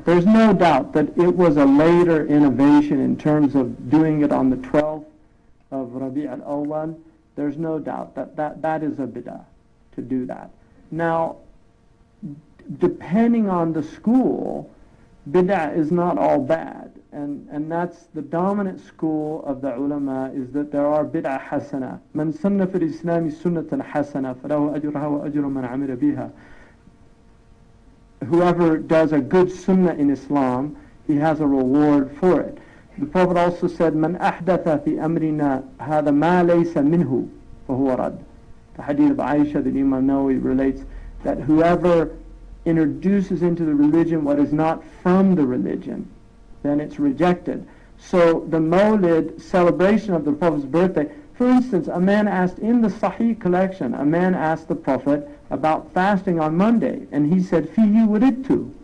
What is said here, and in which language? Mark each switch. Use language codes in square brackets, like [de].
[en] There's no doubt that it was a later innovation in terms of doing it on the 12th of Rabi al-Awwal. There's no doubt that is a bid'ah to do that. Now, depending on the school, bid'ah is not all bad. And that's the dominant school of the ulama, is that there are bid'ah hasana. [ar] من سن في الإسلام سنة حسنة فله أجرها وأجر من عمل بها. [en] Whoever does a good sunnah in Islam, he has a reward for it. The Prophet also said, [ar] من أحدث في أمرنا هذا ما ليس منه فهو رد. [en] The hadith of Aisha that Imam Nawawi relates that whoever introduces into the religion what is not from the religion, then it's rejected. So the Mawlid celebration of the Prophet's birthday, for instance, a man asked in the Sahih collection, a man asked the Prophet about fasting on Monday, and he said, [ar] Fihi wulidtu.